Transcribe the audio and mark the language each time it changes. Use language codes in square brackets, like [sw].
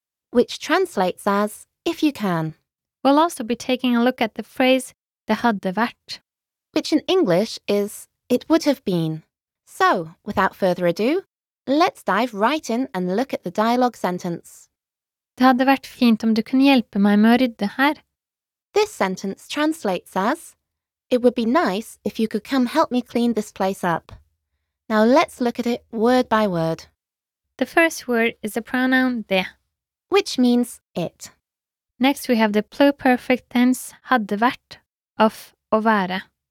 [en] which translates as if you can. We'll also be taking a look at the phrase [no] det hadde vært, [en] which in English is it would have been. So, without further ado, let's dive right in and look at the dialogue sentence. [no] Det hadde vært fint om du kunne hjelpe meg med å rydde her. [en] This sentence translates as, it would be nice if you could come help me clean this place up. Now let's look at it word by word. The first word is the pronoun det, which means it. Next we have the pluperfect tense hadde vært of å være.